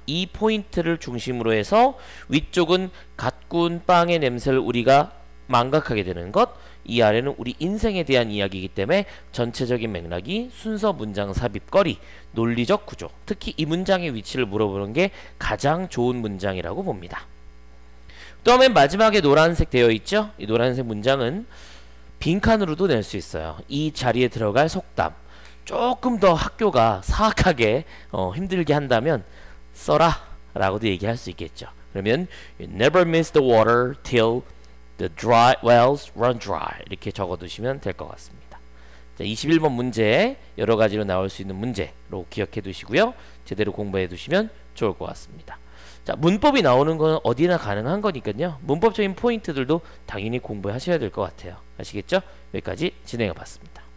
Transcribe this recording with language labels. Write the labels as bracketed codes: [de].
[ko] 이 포인트를 중심으로 해서 위쪽은 갓 구운 빵의 냄새를 우리가 망각하게 되는 것, 이 아래는 우리 인생에 대한 이야기이기 때문에 전체적인 맥락이 순서, 문장, 삽입, 거리, 논리적 구조, 특히 이 문장의 위치를 물어보는 게 가장 좋은 문장이라고 봅니다. 또 맨 마지막에 노란색 되어 있죠? 이 노란색 문장은 빈칸으로도 낼 수 있어요. 이 자리에 들어갈 속담, 조금 더 학교가 사악하게 힘들게 한다면 써라 라고도 얘기할 수 있겠죠. 그러면 [en] you never miss the water till the dry wells run dry [ko] 이렇게 적어두시면 될 것 같습니다. 자, 21번 문제 여러 가지로 나올 수 있는 문제로 기억해 두시고요. 제대로 공부해 두시면 좋을 것 같습니다. 자, 문법이 나오는 건 어디나 가능한 거니까요. 문법적인 포인트들도 당연히 공부하셔야 될 것 같아요. 아시겠죠? 여기까지 진행해 봤습니다.